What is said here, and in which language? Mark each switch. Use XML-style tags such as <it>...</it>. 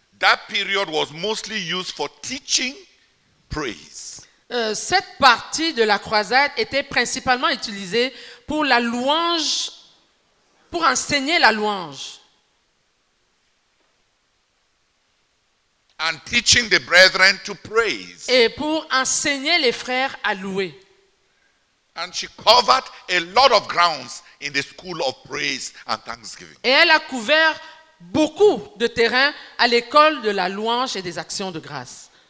<en>That period was mostly used for teaching praise.</en> <fr>Cette partie de la croisade était principalement utilisée pour la louange, pour enseigner la louange.</fr> <en>And teaching the brethren to praise.</en> <fr>Et pour enseigner les frères à louer.</fr> <en>And she covered a lot of grounds in the school of praise and thanksgiving.</en> <fr>Et elle a couvert beaucoup de terrain à l'école de la louange et des actions de grâce.</fr>